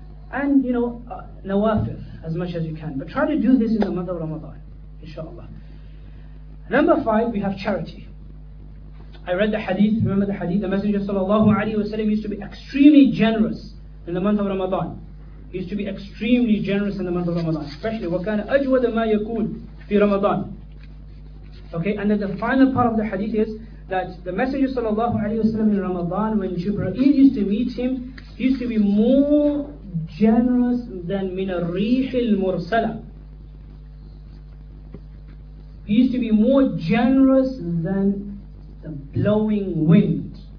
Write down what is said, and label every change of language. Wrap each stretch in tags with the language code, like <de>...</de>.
<en>And, you know, Nawafil, as much as you can. But try to do this in the month of Ramadan, inshallah. Number 5, we have charity. I read the hadith, remember the hadith? The Messenger sallallahu alayhi wa sallam used to be extremely generous in the month of Ramadan. He used to be extremely generous in the month of Ramadan.</en> <ar>Especially, وَكَانَ أَجْوَدَ مَا يَكُونَ فِي رَمَضَان.</ar> <en>Okay, and then the final part of the hadith is, that the Messenger sallallahu alayhi wa sallam in Ramadan, when Jibreel used to meet him, he used to be more generous than min al-reeh al-mursala. He used to be more generous than the blowing wind.</en>